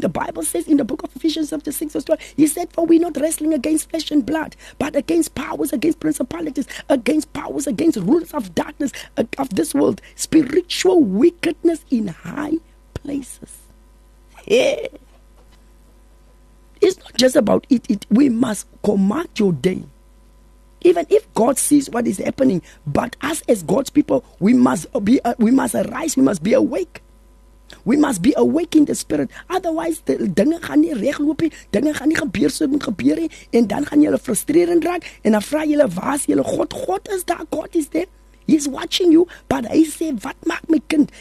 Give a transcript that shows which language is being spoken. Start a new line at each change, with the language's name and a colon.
English: The Bible says in the book of Ephesians chapter 6 verse 12, he said, for we're not wrestling against flesh and blood, but against powers, against principalities, against powers, against rulers of darkness of this world, spiritual wickedness in high places. Yeah. It's not just about it. We must command your day. Even if God sees what is happening, but us as God's people, we must arise, we must be awake. We must be awake in the spirit. Otherwise, the
Afrikaans: dinge gaan nie reg loop nie, dinge gaan nie gebeur so moet gebeur nie, en dan gaan julle frustrerend raak, en dan vra julle, waar is julle God? God is daar,
English: God is there. He's watching you, but I say,
Afrikaans: wat maak my kind?